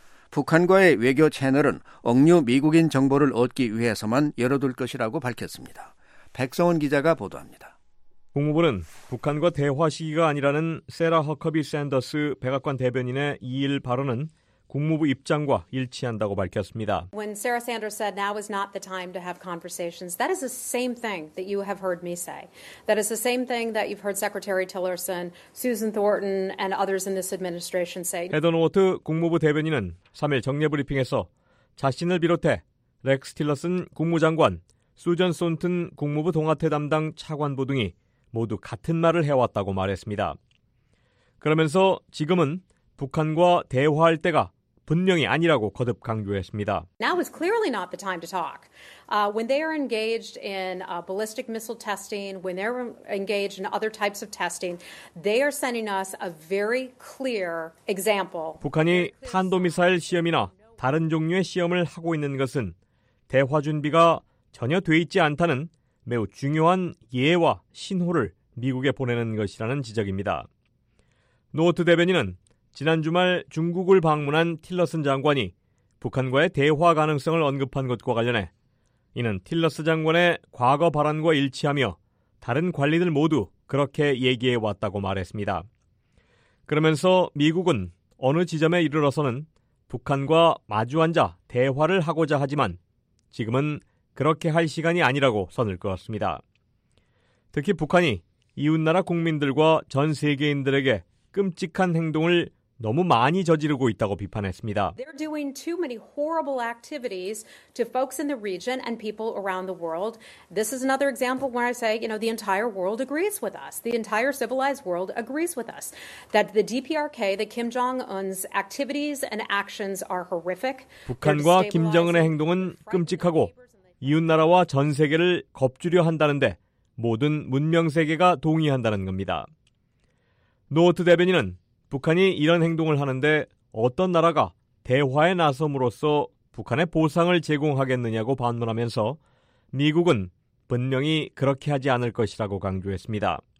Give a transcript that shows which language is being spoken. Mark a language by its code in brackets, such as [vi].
[ko] 북한과의 외교 채널은 억류 미국인 정보를 얻기 위해서만 열어둘 것이라고 밝혔습니다. 백성훈 기자가 보도합니다. 국무부는 북한과 대화 시기가 아니라는 세라 허커비 샌더스 백악관 대변인의 2일 발언은 국무부 입장과 일치한다고 밝혔습니다. [en] When Sarah Sanders said now is not the time to have conversations, that is the same thing that you have heard me say. That is the same thing that you've heard Secretary Tillerson, Susan Thornton, and others in this administration say. [ko] 에던 워트 국무부 대변인은 3일 정례 브리핑에서 자신을 비롯해 렉스 틸러슨 국무장관, 수전 손튼 국무부 동아태 담당 차관부 등이 모두 같은 말을 해왔다고 말했습니다. 그러면서 지금은 북한과 대화할 때가 분명히 아니라고 거듭 강조했습니다. [en] Now is clearly not the time to talk. When they are engaged in ballistic missile testing, when they're engaged in other types of testing, they are sending us a very clear example. [ko] 북한이 탄도미사일 시험이나 다른 종류의 시험을 하고 있는 것은 대화 준비가 전혀 돼 있지 않다는 매우 중요한 예와 신호를 미국에 보내는 것이라는 지적입니다. 노어트 대변인은 지난 주말 중국을 방문한 틸러슨 장관이 북한과의 대화 가능성을 언급한 것과 관련해 이는 틸러슨 장관의 과거 발언과 일치하며 다른 관리들 모두 그렇게 얘기해 왔다고 말했습니다. 그러면서 미국은 어느 지점에 이르러서는 북한과 마주앉아 대화를 하고자 하지만 지금은 그렇게 할 시간이 아니라고 선을 그었습니다. 특히 북한이 이웃나라 국민들과 전 세계인들에게 끔찍한 행동을 너무 많이 저지르고 있다고 비판했습니다. [en] They're doing too many horrible activities to folks in the region and people around the world. This is another example where I say, you know, the entire world agrees with us. The entire civilized world agrees with us that the DPRK, the Kim Jong-un's activities and actions are horrific. [ko] 북한과 김정은의 행동은 끔찍하고 이웃나라와 전 세계를 겁주려 한다는데 모든 문명세계가 동의한다는 겁니다. 노어트 대변인은 북한이 이런 행동을 하는데 어떤 나라가 대화에 나섬으로써 북한에 보상을 제공하겠느냐고 반문하면서 미국은 분명히 그렇게 하지 않을 것이라고 강조했습니다.